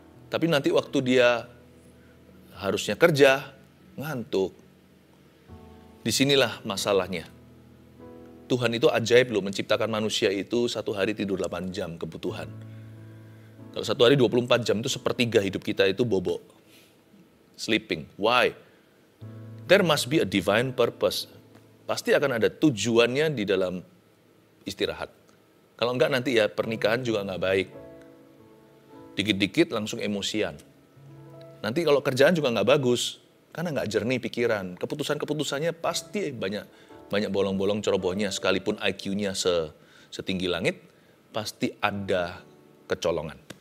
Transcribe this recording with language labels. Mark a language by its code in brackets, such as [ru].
[id] Tapi nanti waktu dia harusnya kerja, ngantuk. Disinilah masalahnya. Tuhan itu ajaib loh, menciptakan manusia itu satu hari tidur 8 jam kebutuhan. Kalau satu hari 24 jam itu sepertiga hidup kita itu bobo. [en] Sleeping. Why? There must be a divine purpose. [id] Pasti akan ada tujuannya di dalam istirahat. Kalau enggak nanti ya pernikahan juga enggak baik. Dikit-dikit langsung emosian. Nanti kalau kerjaan juga gak bagus, karena gak jernih pikiran. Keputusan-keputusannya pasti banyak banyak bolong-bolong cerobohnya, sekalipun IQ-nya setinggi langit, pasti ada kecolongan.